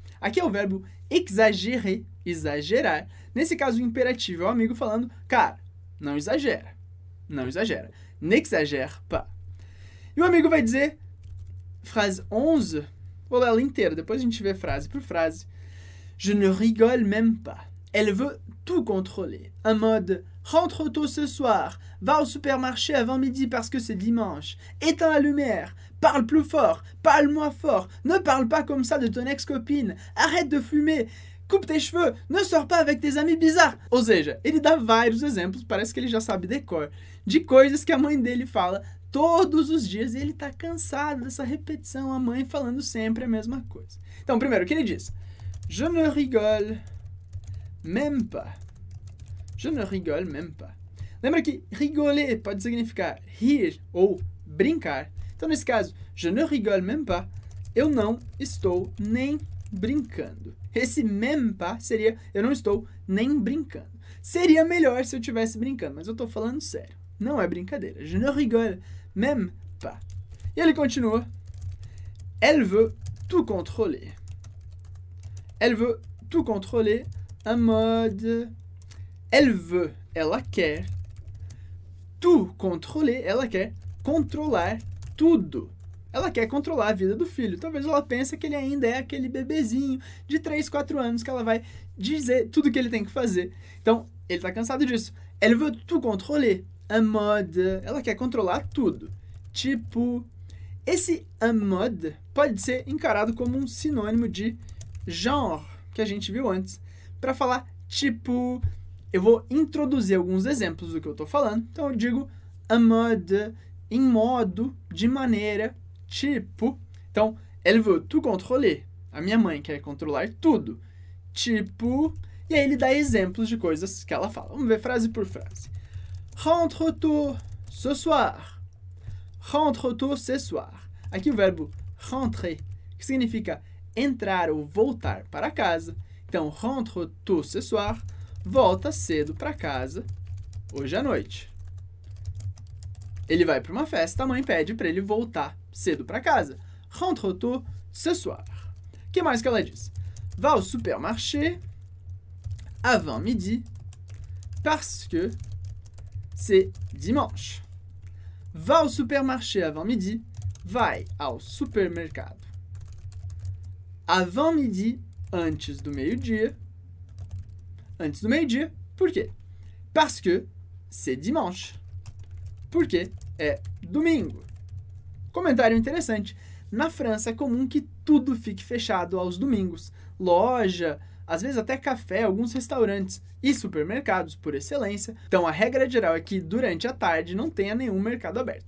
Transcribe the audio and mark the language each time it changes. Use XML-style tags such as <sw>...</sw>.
<pt>Aqui é o verbo exagérer, exagerar. Nesse caso, o imperativo é o amigo falando, cara, não exagera. Não exagera.</pt> <fr>N'exagère pas.</fr> <pt>E o amigo vai dizer, frase 11, vou ler ela inteira, depois a gente vê frase por frase.</pt> <fr>Je ne rigole même pas. Elle veut tout contrôler. En mode, rentre tôt ce soir, va au supermarché avant midi parce que c'est dimanche, éteins la lumière, parle plus fort, parle moins fort, ne parle pas comme ça de ton ex-copine, arrête de fumer, coupe tes cheveux, ne sors pas avec tes amis bizarres.</fr> <pt>Ou seja, ele dá vários exemplos, parece que ele já sabe de cor, de coisas que a mãe dele fala todos os dias e ele tá cansado dessa repetição, a mãe falando sempre a mesma coisa. Então, primeiro, o que ele diz?</pt> <fr>Je ne rigole même pas. Je ne rigole même pas.</fr> <pt>Lembra que rigoler pode significar rir ou brincar. Então, nesse caso,</pt> <fr>je ne rigole même pas.</fr> <pt>Eu não estou nem brincando. Esse même pas seria eu não estou nem brincando. Seria melhor se eu estivesse brincando, mas eu estou falando sério. Não é brincadeira.</pt> <fr>Je ne rigole même pas.</fr> <pt>E ele continua.</pt> <fr>Elle veut tout contrôler. Elle veut tout contrôler en mode... Elle veut,</fr> <pt>ela quer,</pt> <fr>tout contrôler,</fr> <pt>ela quer controlar tudo. Ela quer controlar a vida do filho. Talvez ela pense que ele ainda é aquele bebezinho de 3, 4 anos que ela vai dizer tudo que ele tem que fazer. Então, ele tá cansado disso.</pt> <fr>Elle veut tout contrôler, en mode...</fr> <pt>Ela quer controlar tudo. Tipo, esse en mode pode ser encarado como um sinônimo de genre, que a gente viu antes, para falar tipo... Eu vou introduzir alguns exemplos do que eu tô falando. Então, eu digo en mode, em modo, de maneira, tipo.</pt> <fr>Então, elle veut tout contrôler.</fr> <pt>A minha mãe quer controlar tudo. Tipo. E aí, ele dá exemplos de coisas que ela fala. Vamos ver frase por frase.</pt> <fr>Rentre tôt ce soir. Rentre tôt ce soir.</fr> <pt>Aqui, o verbo rentrer, que significa entrar ou voltar para casa.</pt> <fr>Então, rentre tôt ce soir.</fr> <pt>Volta cedo para casa hoje à noite. Ele vai para uma festa, a mãe pede para ele voltar cedo para casa.</pt> <fr>Rentre tôt ce soir.</fr> <pt>O que mais que ela diz?</pt> <fr>Va au supermarché avant midi parce que c'est dimanche. Va au supermarché avant midi.</fr> <pt>Vai ao supermercado</pt> <fr>avant midi,</fr> <pt>antes do meio-dia. Antes do meio-dia. Por quê?</pt> <fr>Parce que c'est dimanche.</fr> <pt>Porque é domingo. Comentário interessante. Na França é comum que tudo fique fechado aos domingos. Loja, às vezes até café, alguns restaurantes e supermercados por excelência. Então a regra geral é que durante a tarde não tenha nenhum mercado aberto.</pt>